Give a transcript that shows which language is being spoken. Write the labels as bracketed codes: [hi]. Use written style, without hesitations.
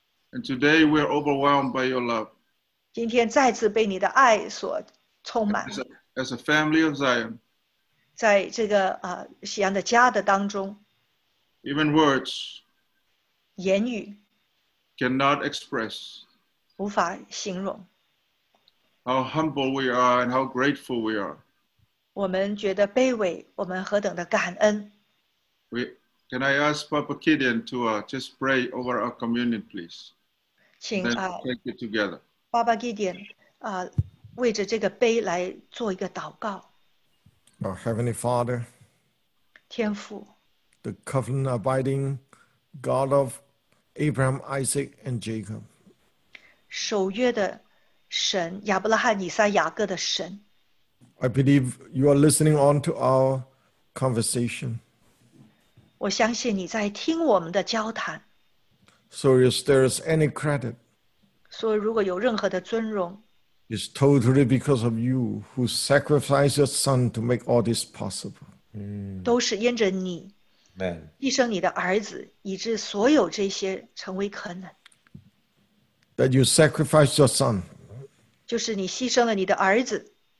[en] And today we are overwhelmed by your love. [zh] 今天再次被你的爱所充满。 [en] As a family of Zion. [zh] 在这个西安的家的当中。 [en] Even words. [zh] 言语。 [en] Cannot express. [zh] 无法形容。 [en] How humble we are and how grateful we are. [zh] 我们觉得卑微，我们何等的感恩。 [en] Can I ask Papa Kidian to just pray over our communion, please? [zh] 请, [en] take it together. [zh] Baba Gideon, 为着这个杯来做一个祷告。 [en] Our Heavenly Father, [zh] 天父, [en] the covenant abiding God of Abraham, Isaac, and Jacob, [zh] 守约的神, 亚伯拉罕以撒雅各的神, [en] I believe you are listening on to our conversation. [zh] 我相信你在听我们的交谈。 [en] So if there is any credit, [zh] 所以如果有任何的尊荣, [en] is totally because of you who sacrificed your son to make all this possible. [zh] 都是因着你, [en] Amen. [zh] 牺牲你的儿子, 以致所有这些成为可能。 [en] That you sacrificed your son. [zh] 就是你牺牲了你的儿子,